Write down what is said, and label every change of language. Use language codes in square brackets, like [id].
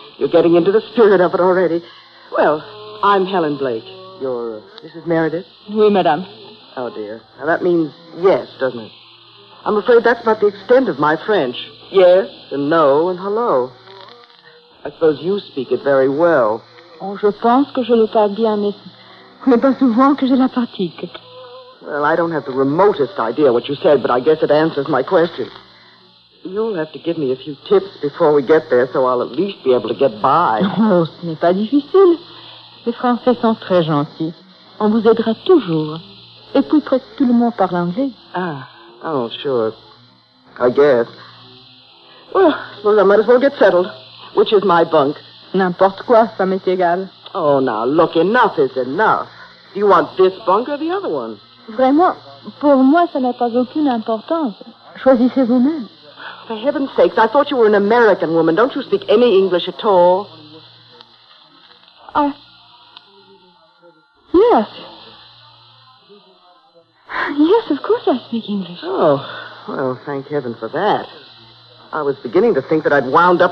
[en] You're getting into the spirit of it already. Well, I'm Helen Blake. You're Mrs. Meredith? [fr] Oui, madame. [en] Oh, dear. Now, that means yes, doesn't it? I'm afraid that's about the extent of my French. Yes, and no, and hello. I suppose you speak it very well. [fr] Oh, je pense que je le parle bien, mais pas souvent que je la pratique. [en] Well, I don't have the remotest idea what you said, but I guess it answers my question. You'll have to give me a few tips before we get there, so I'll at least be able to get by. [fr] Oh, ce n'est pas difficile. Les Français sont très gentils. On vous aidera toujours. Et puis presque tout le monde parle anglais. [en] Ah, oh, sure. I guess. Well, I suppose I might as well get settled. Which is my bunk? [fr] N'importe quoi, ça m'est égal. [en] Oh, now, look, enough is enough. Do you want this bunk or the other one? [fr] Vraiment, pour moi, ça n'a pas aucune importance. Choisissez vous-même. [en] For heaven's sakes, I thought you were an American woman. Don't you speak any English at all? Yes. Yes, of course I speak English. Oh, well, thank heaven for that. I was beginning to think that I'd wound up...